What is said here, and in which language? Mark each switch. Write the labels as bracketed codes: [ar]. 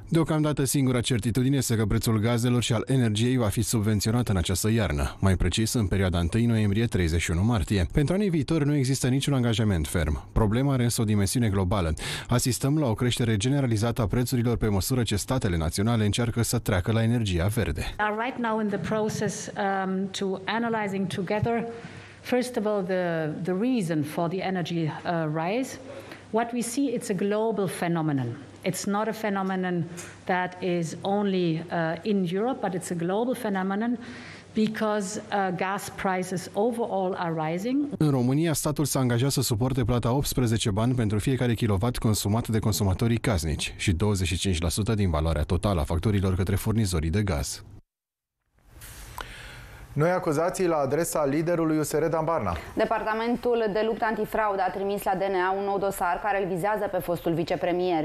[ro] Deocamdată, singura certitudine este că prețul gazelor și al energiei va fi subvenționat în această iarnă, mai precis în perioada 1 noiembrie-31 martie. Pentru anii viitori nu există niciun angajament ferm. Problema are însă o dimensiune globală. Asistăm la o creștere generalizată a prețurilor pe măsură ce statele naționale încearcă să treacă la energia verde. [en] Right now in the process to analyzing together first of all the reason for the energy rise. What we see, it's a global phenomenon. It's not a phenomenon that is only in Europe, but it's a global phenomenon because gas prices overall are rising. [ro] În România, statul s-a angajat să suporte plata 18 bani pentru fiecare kilowatt consumat de consumatorii casnici și 25% din valoarea totală a facturilor către furnizorii de gaz. Noi acuzații la adresa liderului USR, Dan Barna. Departamentul de luptă antifraudă a trimis la DNA un nou dosar care îl vizează pe fostul vicepremier.